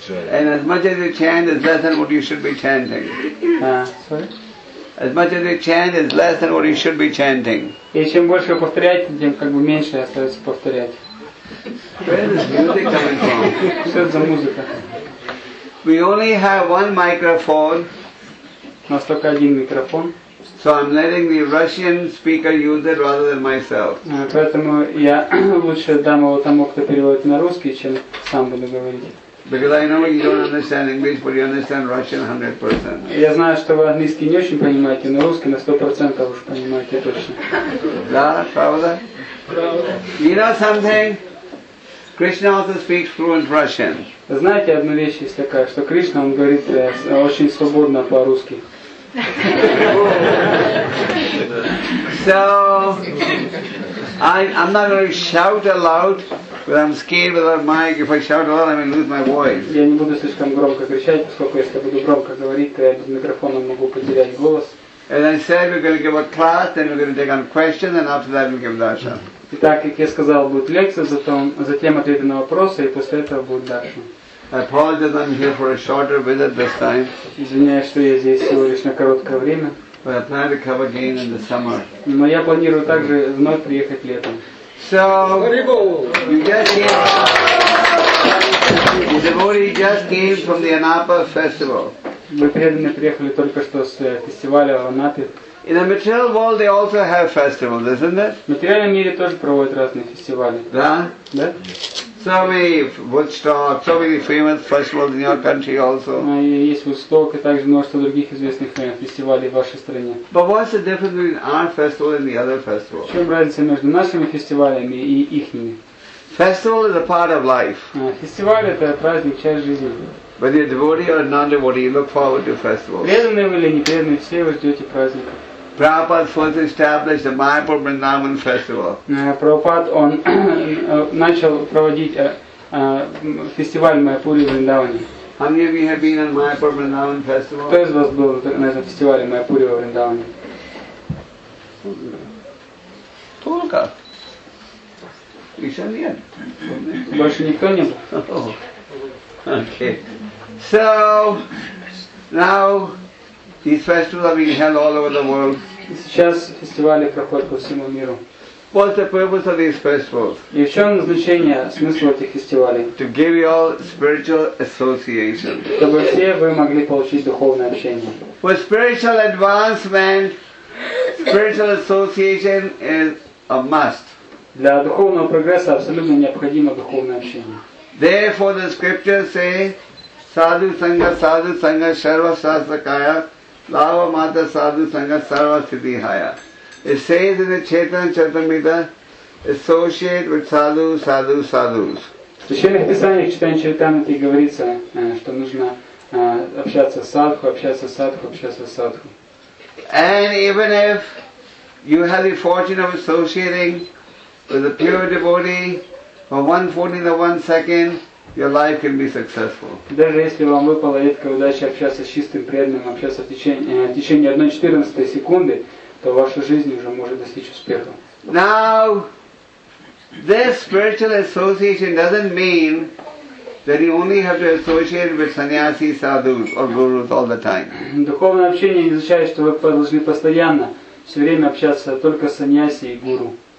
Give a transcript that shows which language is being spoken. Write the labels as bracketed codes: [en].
[en] And as much as you chant, it's less than what you should be chanting. Sorry? As much as you chant, it's less than what you should be chanting. [ru] И чем больше повторять, тем как бы меньше остается повторять. [en] Where is music coming from? [ru] Что это за музыка? [en] We only have one microphone. [ru] У нас только один микрофон. [en] So I'm letting the Russian speaker use it rather than myself. [ru] Поэтому я лучше дам его тому, кто переводит на русский, чем сам буду говорить. [en] Because I know you don't understand English, but you understand Russian 100%. [ru] Я знаю, что вы английский не очень понимаете, но русский на 100% уж понимаете точно. Да, правда? Правда. [en] You know something? Krishna also speaks fluent Russian. [ru] Знаете, одна вещь есть такая, что Кришна, он говорит очень свободно по-русски. [en] So, I'm not going to shout aloud, but I'm scared without a mic. If I shout aloud, I'm going to lose my voice. [ru] Я не буду слишком громко кричать, поскольку если буду громко говорить, то я без микрофона могу потерять голос. [en] And I said we're going to give a class, then we're going to take on questions, and after that we'll give darshan. [ru] Итак, как я сказал, будет лекция, затем ответы на вопросы, и после этого будет даршан. [en] I apologize that I'm here for a shorter visit this time. [ru] Извиняюсь, что я здесь всего лишь на короткое время. [en] But I plan to come again in the summer. [ru] Но я планирую также вновь приехать летом. [en] So, you just came. The devotee just came from the Anapa festival. [ru] Мы преданные приехали только что с фестиваля в Анапе. [en] In the material world, they also have festivals, isn't it? [ru] В материальном мире тоже проводят разные фестивали. Да? Да. [en] So many Woodstock, so many famous festivals in your country also. [ru] Есть Woodstock и также множество других известных фестивалей в вашей стране. [en] But what's the difference between our festival and the other festival? [ru] В чем разница между нашими фестивалями и ихними? [en] Festival is a part of life. [ru] Фестиваль это праздник, часть жизни. [en] Whether you're a devotee or non-devotee, you look forward to festivals. [ru] Преданные или не преданные, все вы ждете праздника. [en] Prabhupada first established the Mayapur Vrindavan festival. [ru] Prabhupada он начал проводить фестиваль Майяпури Вриндавани. [en] How many of you have been on Mayapur Vrindavan festival? [ru] Кто из вас был на этом фестивале Майяпури Вриндавани? Только. Еще нет. Больше никто не был. [en] Okay. So now these festivals are being held all over the world. [ru] Сейчас фестивали проходят по всему миру. [en] What's the purpose of these festivals? [ru] И в чем назначение, смысл этих фестивалей? [en] To give you all spiritual association. [ru] Чтобы все вы могли получить духовное общение. [en] For spiritual advancement, spiritual association is a must. [ru] Для духовного прогресса абсолютно необходимо духовное общение. [en] Therefore, the scriptures say, [sa] "Sadhu sangha, sarva shastra kaya, lava mata sadhu sangha, sarva siddhi haya." [en] It says in the Chaitanya Charitamrita, associate with sadhu, sadhu, sadhus. [ru] В священных писаниях Чайтанья Чаритамриты говорится, что нужно общаться с садху, общаться с садху, общаться с садху. [en] And even if you have the fortune of associating with a pure devotee for 1/14 of 1 second, your life can be successful. [ru] Даже если вам выпала редкая удача общаться с чистым преданным, общаться в течение 1/14 секунды, то ваша жизнь уже может достичь успеха. [en] Now, this spiritual association doesn't mean that you only have to associate with sannyasi, sadhus or gurus all the time. [ru] Духовное общение не означает, что вы должны постоянно все время общаться только с сannyasi и гуру.